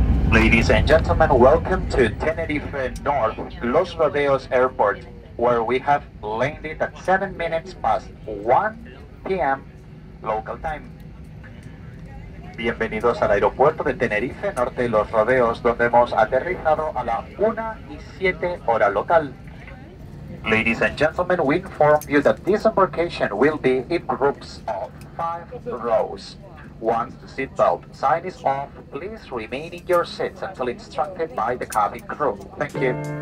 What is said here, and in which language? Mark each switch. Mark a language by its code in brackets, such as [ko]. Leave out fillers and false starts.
[en] Ladies and gentlemen, welcome to Tenerife North Los Rodeos Airport, where we have landed at 7 minutes past 1 p.m. local time. [es] Bienvenidos al aeropuerto de Tenerife Norte Los Rodeos, donde hemos aterrizado a la 1 y 7 hora local. [en] Ladies and gentlemen, we inform you that this embarkation will be in groups of 5 rows. Once the seatbelt sign is off, please remain in your seats until instructed by the cabin crew. Thank you.